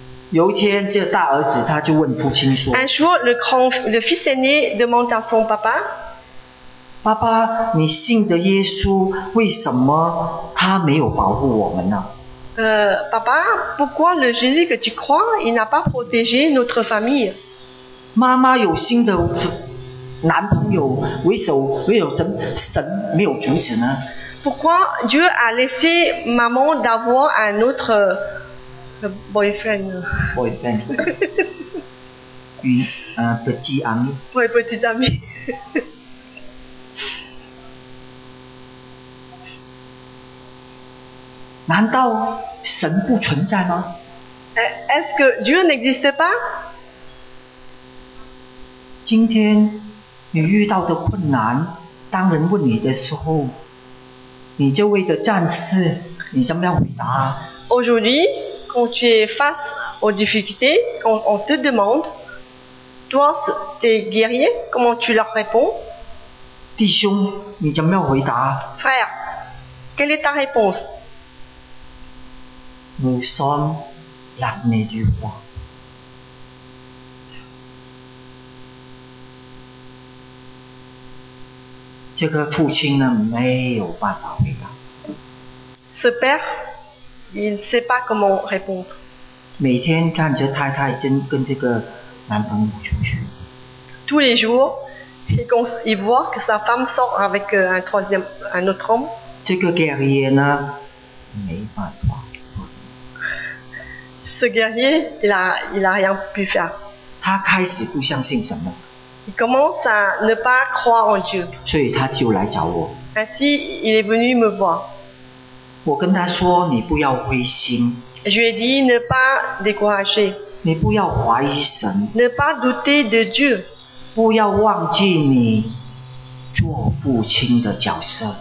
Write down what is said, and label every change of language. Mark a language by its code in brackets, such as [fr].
[zh] 有一天，这大儿子他就问父亲说。 [fr] Un jour, le fils aîné demande à son papa. [zh] 爸爸，你信的耶稣，为什么他没有保护我们呢？ [fr] Papa, pourquoi le Jésus que tu crois, il n'a pas protégé notre famille? [zh] 妈妈有新的男朋友，为什么神没有阻止呢？ [fr] Pourquoi Dieu a laissé maman d'avoir un autre boyfriend? [en] Boyfriend. [fr] un petit ami. Oui, petit ami. [zh] 难道神不存在吗？ [fr] Est-ce que Dieu n'existe pas? [zh] 今天你遇到的困难，当人问你的时候，你这位的战士，你怎么样回答？ [fr] Aujourd'hui, quand tu es face aux difficultés, quand on te demande, toi, tes guerriers, comment tu leur réponds? [zh] 弟兄，你怎么样回答？ Frère, 给你打开波斯。无心立你如花。这个父亲呢，没有办法回答。 [fr] Ce père, il ne sait pas comment répondre. [zh] 每天看着太太真跟这个男朋友出去。 [fr] Tous les jours, il voit que sa femme sort avec un troisième, un autre homme. [zh] 这个 guerrier 呢，没办法。 [fr] Ce guerrier, il a rien pu faire. [zh] 他开始不相信什么。 [fr] Il commence à ne pas croire en Dieu. [zh] 所以他就来找我。 [fr] Ainsi, il est venu me voir. [zh] 我跟他说，你不要灰心。 [fr] Je lui ai dit ne pas décourager. [zh] 你不要怀疑神。 [fr] Ne pas douter de Dieu. [zh] 不要忘记你做父亲的角色。